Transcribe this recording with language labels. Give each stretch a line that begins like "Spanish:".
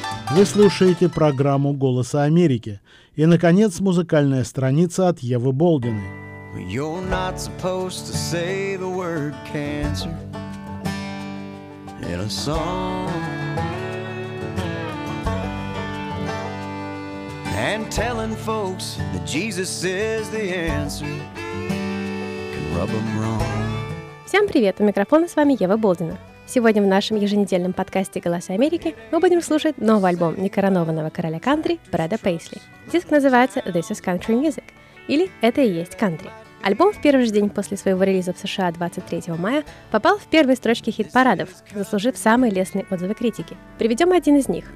Russian: Вы слушаете программу «Голоса Америки». И, наконец, музыкальная страница от Евы Болдины.
English: You're not supposed to say the word cancer in a song. And telling folks that Jesus is the answer can rub them wrong.
Russian: Всем привет! У микрофона с вами Ева Болдина. Сегодня в нашем еженедельном подкасте «Голоса Америки» мы будем слушать новый альбом некоронованного короля кантри Брэда Пейсли. Диск называется «This is Country Music» или «Это и есть кантри». Альбом в первый же день после своего релиза в США 23 мая попал в первые строчки хит-парадов, заслужив самые лестные отзывы критики. Приведем один из них.